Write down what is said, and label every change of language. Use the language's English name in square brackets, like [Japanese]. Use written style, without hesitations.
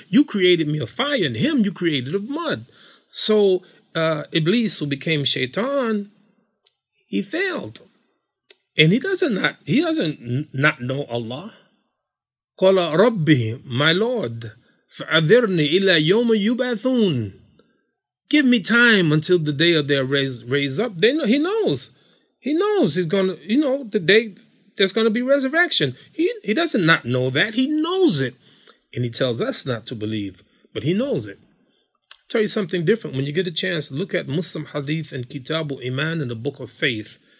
[English] You created me of fire, and him you created of mud. So Iblis, who became Shaitan, he failed. And he doesn't know Allah. [Arabic] قَالَ رَبِّي, [English] my Lord, [Arabic] فَأَذِرْنِي إِلَى يَوْمَ يُبَعْثُونَ. [English] Give me time until the day of their raise up. They know, he knows he's going to, you know, the day there's going to be resurrection. He doesn't not know that. He knows it. And he tells us not to believe, but he knows it. I'll tell you something different. When you get a chance, look at Muslim Hadith and Kitabu Iman in the Book of Faith.